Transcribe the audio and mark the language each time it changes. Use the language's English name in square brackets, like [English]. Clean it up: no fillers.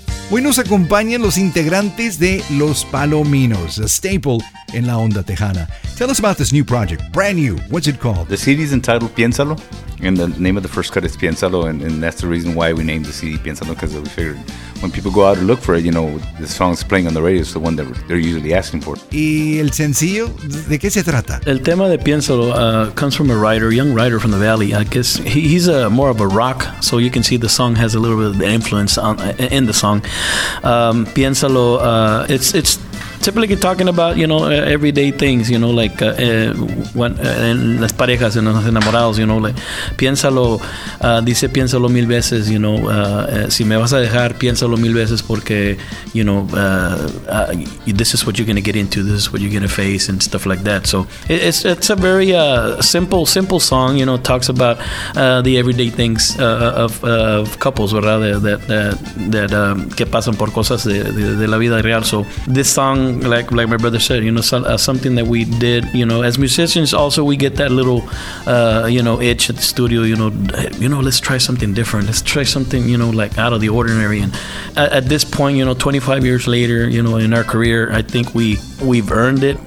[Spanish] Hoy nos acompañan los integrantes de Los Palominos, [English] a staple [Spanish] en la onda tejana. [English] Tell us about this new project, brand new. What's it called? The CD is entitled Piénsalo, and the name of the first cut is Piénsalo, and that's the reason why we named the CD Piénsalo, because we figured when people go out and look for it, you know, the song's playing on the radio, it's the one that they're usually asking for. [Spanish] ¿Y el sencillo? ¿De qué se trata? El tema de [English] Piénsalo comes from a writer, a young writer from the Valley. I guess he's more of a rock, so you can see the song has a little bit of influence in the song. Piénsalo, it's typically talking about, you know, everyday things, you know, like [Spanish] en las parejas, en los enamorados, [English] you know, like, piénsalo, [Spanish] dice piénsalo mil veces, [English] you know, [Spanish] si me vas a dejar, piénsalo mil veces porque, [English] you know, this is what you're going to get into, this is what you're going to face and stuff like that. So it's a very simple song, you know, talks about the everyday things of couples, ¿verdad? [Spanish] That que pasan por cosas de la vida real. [English] So this song, like my brother said, you know, something that we did, you know, as musicians also we get that little you know, itch at the studio, you know, let's try something different, let's try something, you know, like out of the ordinary. And at this point, you know, 25 years later, you know, in our career, I think we've earned it.